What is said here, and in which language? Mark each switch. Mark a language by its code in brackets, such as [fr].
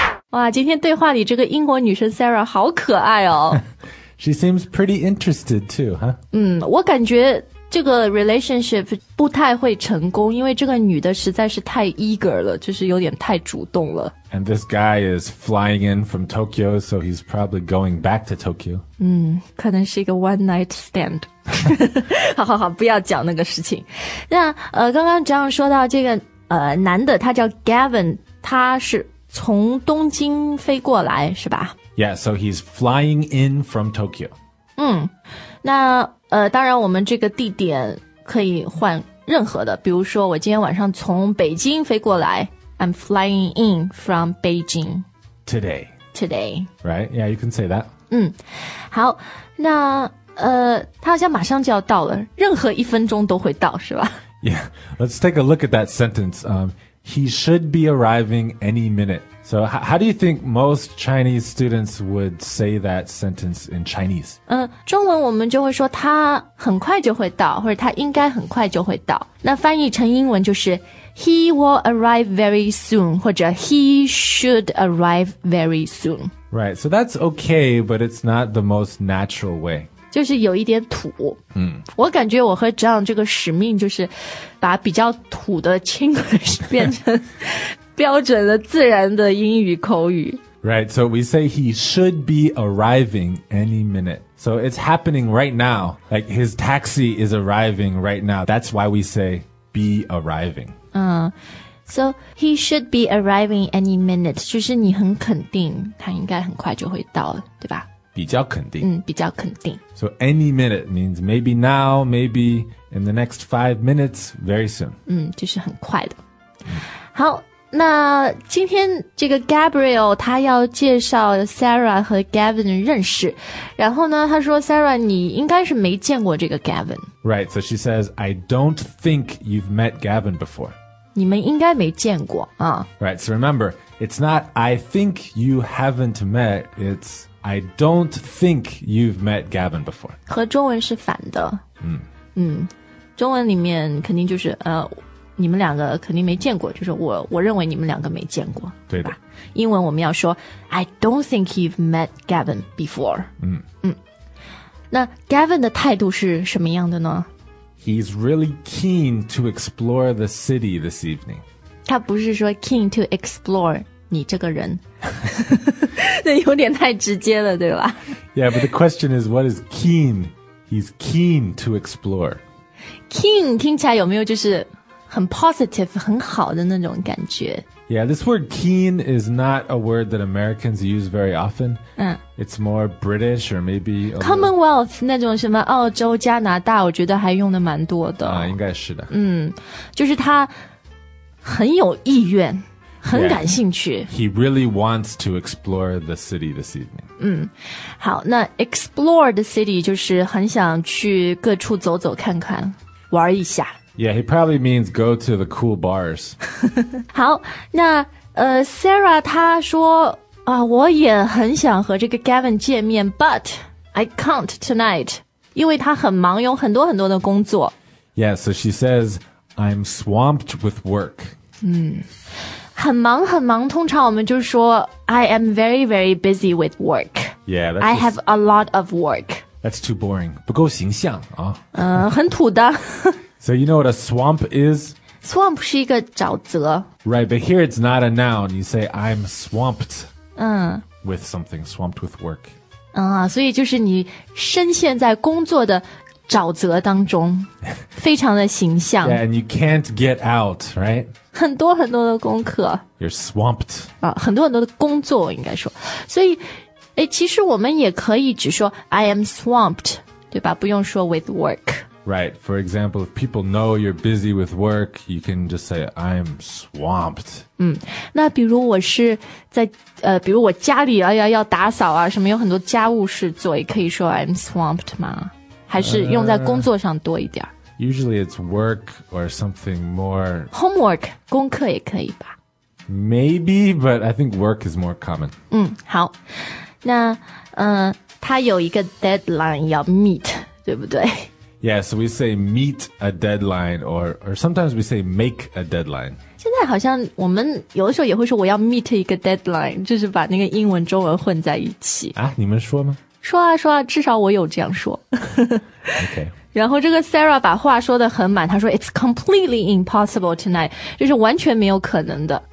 [zh] 哇，今天对话里这个英国女生 Sarah 好可爱哦。 [en] She seems pretty interested too, huh? [zh] 嗯，我感觉这个 relationship 不太会成功，因为这个女的实在是太 eager 了，就是有点太主动了。 [en] And this guy is flying in from Tokyo, so he's probably going back to Tokyo. [zh] 嗯，可能是一个 [en] one night stand. [zh] 好好好，不要讲那个事情。那刚刚 John 说到这个男的，他叫 Gavin, 他是从东京飞过来是吧 [en] Yeah, so he's flying in from Tokyo. [zh] 嗯，那当然我们这个地点可以换任何的，比如说我今天晚上从北京飞过来 [en] I'm flying in from Beijing. Today. Right, yeah, you can say that. 嗯，好，那他好像马上就要到了，任何一分钟都会到是吧 Yeah, let's take a look at that sentence. He should be arriving any minute. So how do you think most Chinese students would say that sentence in Chinese? [zh] 中文我们就会说他很快就会到，或者他应该很快就会到。那翻译成英文就是 [en] He will arrive very soon, [zh] 或者 [en] He should arrive very soon. Right, so that's okay, but it's not the most natural way. [zh] 就是有一点土我感觉我和 John 这个使命就是把比较土的 English 变成标准的自然的英语口语 [en] Right, so we say he should be arriving any minute. So it's happening right now. Like his taxi is arriving right now. That's why we say be arriving. So he should be arriving any minute. [zh] 就是你很肯定他应该很快就会到了对吧比较肯定嗯，比较肯定 [en] So any minute means maybe now, maybe in the next 5 minutes, very soon [zh] 嗯，就是很快的好，那今天这个 Gabriel 他要介绍 Sarah 和 Gavin 认识然后呢他说 Sarah 你应该是没见过这个 Gavin [en] Right, so she says I don't think you've met Gavin before [zh] 你们应该没见过啊。 [en] Right, so remember it's not I think you haven't met, it'sI don't think you've met Gavin before. [zh] 和中文是反的。中文里面肯定就是你们两个肯定没见过就是我认为你们两个没见过。对的。英文我们要说 [en] I don't think you've met Gavin before. [zh] 那 Gavin 的态度是什么样的呢 [en] He's really keen to explore the city this evening. [zh] 他不是说 [en] keen to explore [zh] 你这个人那有点太直接了对吧 [en] Yeah, but the question is, what is keen? He's keen to explore. [zh] Keen 听起来有没有就是很 positive, 很好的那种感觉 [en] Yeah, this word keen is not a word that Americans use very often. It's more British or maybe... [zh] Commonwealth, 那种什么澳洲、加拿大我觉得还用的蛮多的。应该是的。就是他很有意愿，很感兴趣。 [en] Yeah, he really wants to explore the city this evening. [zh] 嗯，好，那 [en] explore the city [zh] 就是很想去各处走走看看，玩一下。 [en] Yeah, he probably means go to the cool bars. [zh] 好，那Sarah 她说啊，我也很想和这个 Gavin 见面 ， [en] but I can't tonight. [zh] 因为她很忙，有很多很多的工作。 [en] Yeah, so she says I'm swamped with work. [zh] 嗯，很忙很忙。通常我们就说 [en] I am very very busy with work. Yeah, that's I have a lot of work. That's too boring. [zh] 不够形象啊。很土的。 [en] So you know what a swamp is? [zh] Swamp 是一个沼泽。 [en] Right, but here it's not a noun. You say I'm swamped. With something, swamped with work. [zh] 所以就是你深陷在工作的沼泽当中，非常的形象。 [en] Yeah, and you can't get out, right? [zh] 很多很多的功课。 [en] You're swamped. [zh] 很多很多的工作应该说。所以，其实我们也可以只说 [en] I am swamped, [zh] 对吧？不用说 [en] with work。 Right, for example, if people know you're busy with work, you can just say, I'm swamped. [zh] 那比如我是在比如我家里要打扫啊，什么有很多家务事做，也可以说 [en] I'm swamped [zh] 吗？还是用在工作上多一点？ [en] Usually it's work or something more... [zh] Homework, 功课也可以吧。 [en] Maybe, but I think work is more common. [zh] 好。那他有一个 deadline 要 meet, 对不对？ [en] Yeah, so we say meet a deadline or sometimes we say make a deadline. [zh] 现在好像我们有的时候也会说我要 meet 一个 deadline, 就是把那个英文中文混在一起。啊，你们说吗？说啊说啊，至少我有这样说。 [en] Okay. [zh] 然后这个 Sarah 把话说得很满，她说 [en] it's completely impossible tonight, [zh] 就是完全没有可能的。